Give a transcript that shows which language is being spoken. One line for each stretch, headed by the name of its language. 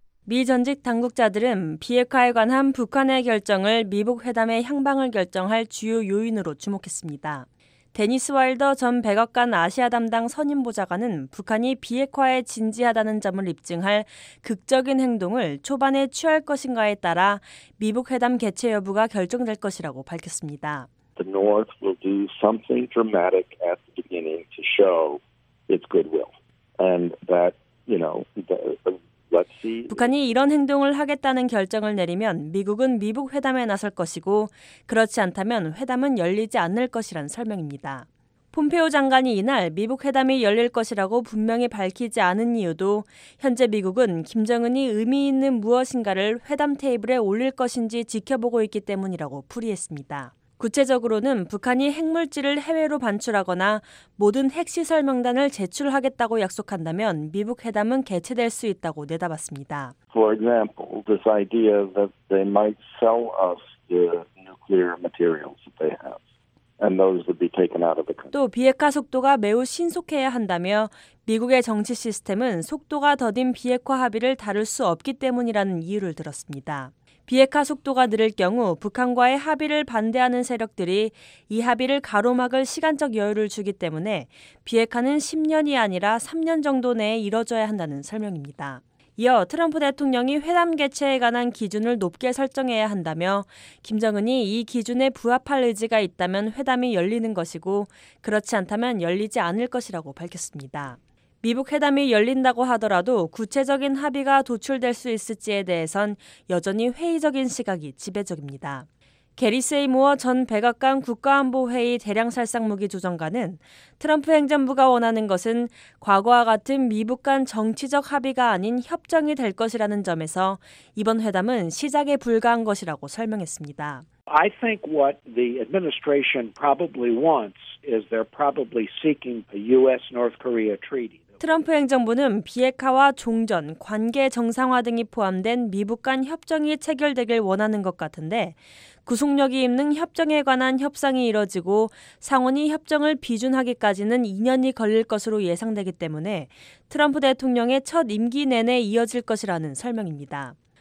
Korean: 미 전직 당국자들은 비핵화에 관한 북한의 결정을 미북 회담의 향방을 결정할 주요 요인으로 주목했습니다. 데니스 와일더 전 백악관 아시아 담당 선임 보좌관은 북한이 비핵화에 진지하다는 점을 입증할 극적인 행동을 초반에 취할 것인가에 따라 미북 회담 개최 여부가 결정될 것이라고 밝혔습니다.
English: The North will do something dramatic at the beginning to show its goodwill and that, you know, let's see.
Korean: 북한이 이런 행동을 하겠다는 결정을 내리면 미국은 미북 회담에 나설 것이고 그렇지 않다면 회담은 열리지 않을 것이란 설명입니다. 폼페오 장관이 이날 미북 회담이 열릴 것이라고 분명히 밝히지 않은 이유도 현재 미국은 김정은이 의미 있는 무엇인가를 회담 테이블에 올릴 것인지 지켜보고 있기 때문이라고 풀이했습니다. 구체적으로는 북한이 핵물질을 해외로 반출하거나 모든 핵시설 명단을 제출하겠다고 약속한다면 미북 회담은 개최될 수 있다고 내다봤습니다.
English: For example, this idea that they might sell us the nuclear materials that they have. and those would be taken out of the country.
Korean: 또 비핵화 속도가 매우 신속해야 한다며 미국의 정치 시스템은 속도가 더딘 비핵화 합의를 다룰 수 없기 때문이라는 이유를 들었습니다. 비핵화 속도가 느릴 경우 북한과의 합의를 반대하는 세력들이 이 합의를 가로막을 시간적 여유를 주기 때문에 비핵화는 10년이 아니라 3년 정도 내에 이뤄져야 한다는 설명입니다. 이어 트럼프 대통령이 회담 개최에 관한 기준을 높게 설정해야 한다며 김정은이 이 기준에 부합할 의지가 있다면 회담이 열리는 것이고 그렇지 않다면 열리지 않을 것이라고 밝혔습니다. 미북 회담이 열린다고 하더라도 구체적인 합의가 도출될 수 있을지에 대해선 여전히 회의적인 시각이 지배적입니다. 게리 세이모어 전 백악관 국가안보회의 대량살상무기 조정관은 트럼프 행정부가 원하는 것은 과거와 같은 미북 간 정치적 합의가 아닌 협정이 될 것이라는 점에서 이번 회담은 시작에 불과한 것이라고 설명했습니다.
English: I think what the administration probably wants is they're probably seeking a U.S.-North Korea treaty.
Korean: 트럼프 행정부는 비핵화와 종전, 관계 정상화 등이 포함된 미북 간 협정이 체결되길 원하는 것 같은데 구속력이 있는 협정에 관한 협상이 이뤄지고 상원이 협정을 비준하기까지는 2년이 걸릴 것으로 예상되기 때문에 트럼프 대통령의 첫 임기 내내 이어질 것이라는 설명입니다.